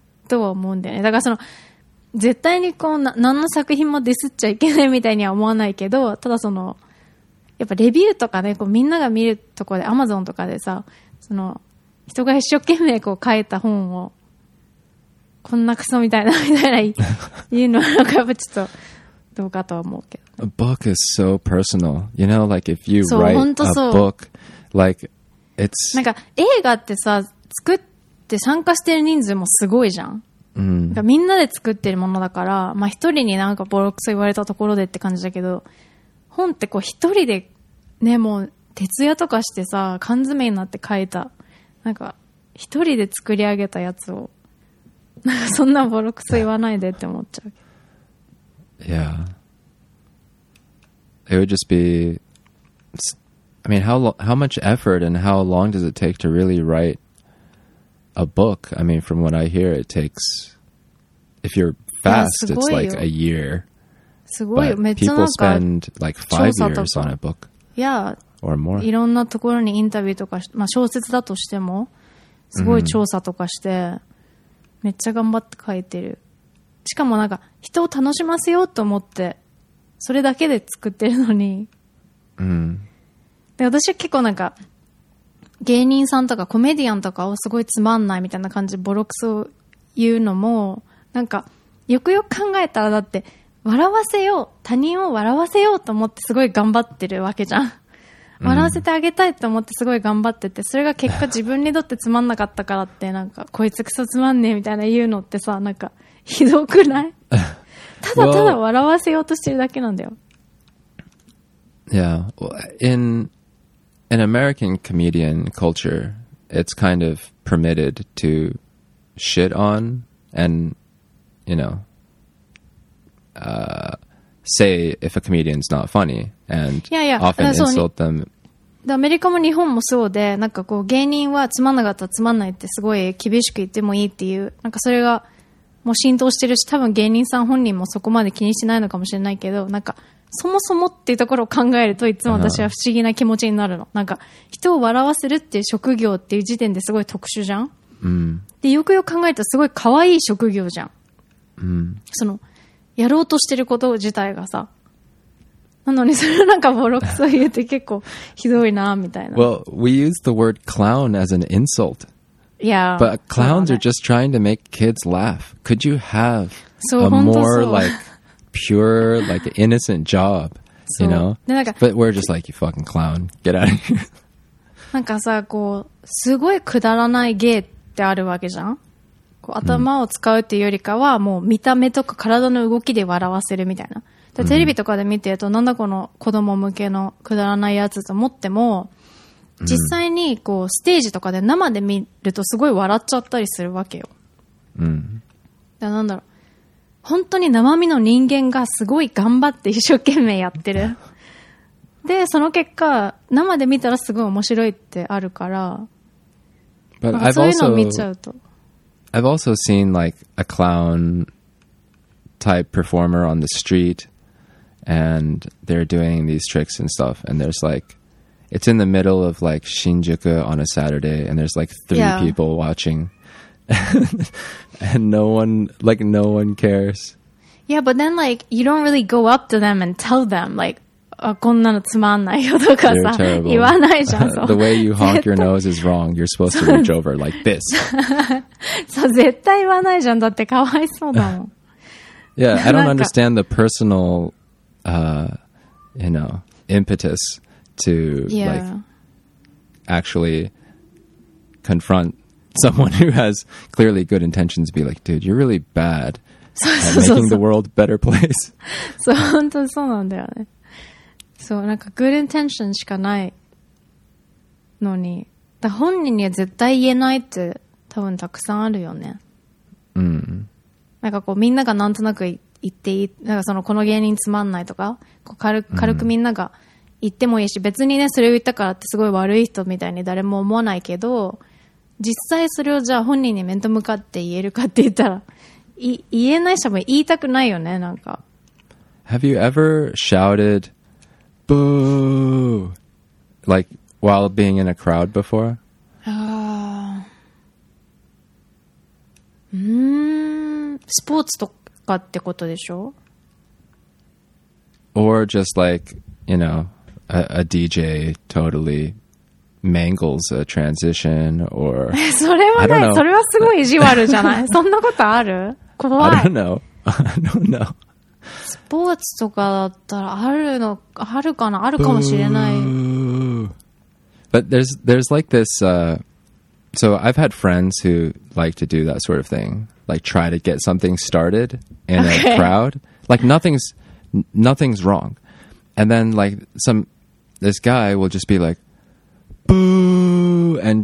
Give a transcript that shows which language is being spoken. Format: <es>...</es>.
<ja>とは思うんだよね。だからその絶対にこう何の作品もディスっちゃいけないみたいには思わないけど、ただそのやっぱレビューとかね、こうみんなが見るところで Amazon とかでさ、その人が一生懸命こう書いた本をこんなクソみたいな言うのはなんかやっぱちょっとどうかとは思うけど、</ja> <en>ね。A book is so personal. You know, like if you write a book, like it's</en> <ja>なんか映画ってさ作っで参加してる人数もすごいじゃん。うん、みんなで作ってるものだから、まあ一人になんかボロクソ言われたところでって感じだけど、本ってこう一人でね、もう徹夜とかしてさ、缶詰になって書いた、なんか一人で作り上げたやつを、なんかそんなボロクソ言わないでって思っちゃう。</ja> <en>Yeah. It would just be, I mean, how much effort and how long does it take to really write? A book, I mean, from what I hear, it takes, if you're fast, it's like a year.</en> <ja>すごいよ。</ja> <en>But people spend like 5 years on a book. Yeah. Or more.</en> <ja>いろんなところにインタビューとか、まあ小説だとしても、すごい調査とかして、めっちゃ頑張って書いてるしかもなんか人を楽しませようと思ってそれだけで作ってるのに、うん、で私は結構なんか芸人さんとかコメディアンとかをすごいつまんないみたいな感じでボロクソを言うのもなんかよくよく考えたらだって笑わせよう他人を笑わせようと思ってすごい頑張ってるわけじゃん笑わせてあげたいと思ってすごい頑張ってて、うん、それが結果自分にとってつまんなかったからってなんかこいつクソつまんねえみたいな言うのってさなんかひどくないただただ笑わせようとしてるだけなんだよ</ja> <en>Yeah, well, in American comedian culture, it's kind of permitted to shit on and, you know, say if a comedian's not funny and often insult them.</en> <ja>で、アメリカも日本もそうで、なんかこう芸人はつまんなかったらつまんないってすごい厳しく言ってもいいっていう、なんかそれがもう浸透してるし、多分芸人さん本人もそこまで気にしてないのかもしれないけど、なんか、そもそもっていうところを考えるといつも私は不思議な気持ちになるの、uh-huh. なんか人を笑わせるっていう職業っていう時点ですごい特殊じゃん、 mm. でよくよく考えたらすごい可愛い職業じゃん、 mm. そのやろうとしてること自体がさなのにそれなんかボロクソ言えて結構ひどいなみたいな</ja> <en>Well, we use the word clown as an insult Yeah But clowns、ね、are just trying to make kids laugh Could you have a more likePure like an innocent job you know but we're just like you fucking clown get out of here</en> <ja>なんかさこうすごいくだらない芸ってあるわけじゃんこう頭を使うっていうよりかは、うん、もう見た目とか体の動きで笑わせるみたいなでテレビとかで見てると、うん、なんだこの子供向けのくだらないやつと思っても実際にこうステージとかで生で見るとすごい笑っちゃったりするわけようんでなんだろう本当に生身の人間がすごい頑張って一生懸命やってる。で、その結果、生で見たらすごい面白いってあるから。</ja> <en>But、</en> <ja>そういうのを見ちゃうと。</ja> <en>I've also seen like a clown type performer on the street and they're doing these tricks and stuff and there's like, it's in the middle of like Shinjuku on a Saturday and there's like three、yeah. people watching. And no one, like, no one cares. Yeah, but then, like, you don't really go up to them and tell them, like,</en> <ja>こんなのつまんないよとかさ、</ja> <en>You're terrible.</en> <ja>言わないじゃん。</ja> <en>The way you honk your nose is wrong. You're supposed to reach over like this.</en> <ja>そう、絶対言わないじゃん。だってかわいそうだもん。</ja> <en>Yeah, I don't understand the personal, you know, impetus to, like, actually confrontSomeone who has clearly good intentions be like, dude, you're really bad at making the world a better place.</en> <ja>そう、本当にそうなんだよね。そう、なんか</ja> <en>good intentions</en> <ja>しかないのに、だ本人には絶対言えないって多分たくさんあるよね。うん。なんかこうみんながなんとなく言っていい、なんかそのこの芸人つまんないとか、こう軽くみんなが言ってもいいし、うん、別にね、それを言ったからってすごい悪い人みたいに誰も思わないけど、実際それをじゃあ本人に面と向かって言えるかって言ったら言えないしも言いたくないよねなんか</ja> <en>Have you ever shouted boo like while being in a crowd before?</en> <ja>スポーツとかってことでしょ</ja> <en>Or just like you know a DJ totallyMangles a transition or</en> <ja>それはない、それはすごい意地悪じゃない そんなことある怖い</ja> <en>I don't know I don't know</en> <ja>スポーツとかだったらあるのあるかなあるかもしれない</ja> <en>But there's like this So I've had friends who like to do that sort of thing Like try to get something started in a crowd Like nothing's wrong And then like this guy will just be likeBoo!</en>